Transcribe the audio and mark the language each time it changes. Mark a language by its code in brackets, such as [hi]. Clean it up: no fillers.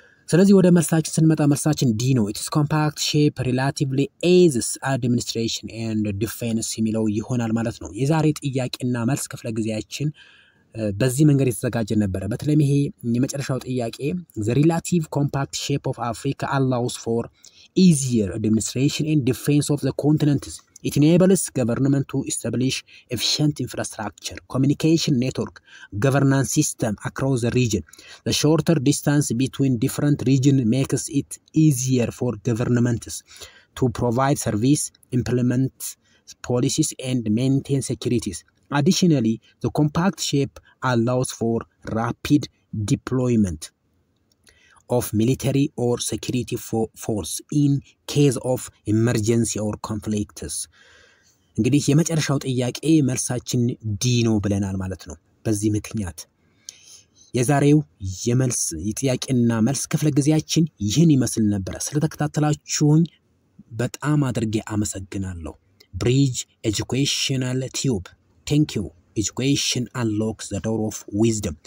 [am] ስለዚህ ወደ መልሳችን ስንመጣ መልሳችን ዲ ነው [en] ኢትስ ኮምፓክት ሼፕ ሪላቲቭሊ ኤዝስ አድሚኒስትሬሽን ኤንድ ዲፌንስ [am] የሚለው ይሆናል ማለት ነው የዛሬ ጥያቄና መልስ ክፍለ ጊዜያችን በዚህ መንገድ የተዘጋጀ ነበር በተለይ ይሄ የመጨረሻው ጥያቄ [en] ዘ ሪላቲቭ ኮምፓክት ሼፕ ኦፍ አፍሪካ አላውስ ፎር ኢዚየር አድሚኒስትሬሽን ኤንድ ዲፌንስ ኦፍ ዘ ኮንቲነንትስ It enables government to establish efficient infrastructure, communication network, governance system across the region. The shorter distance between different regions makes it easier for governments to provide service, implement policies, and maintain securities. Additionally, the compact shape allows for rapid deployment of military or security force in case of emergency or conflicts. [am] እንግዲህ የመጨረሻው ጥያቄ መልሳችን ዲ ነው ብለናል ማለት ነው በዚህ ምክንያት የዛሬው የመልስ የጥያቄና መልስ ክፍለ ጊዜያችን ይህን ይመስል ነበር ስለተከታተላችሁኝ በጣም አድርጌ አመሰግናለሁ [en] bridge educational tube thank you Education unlocks the door of wisdom.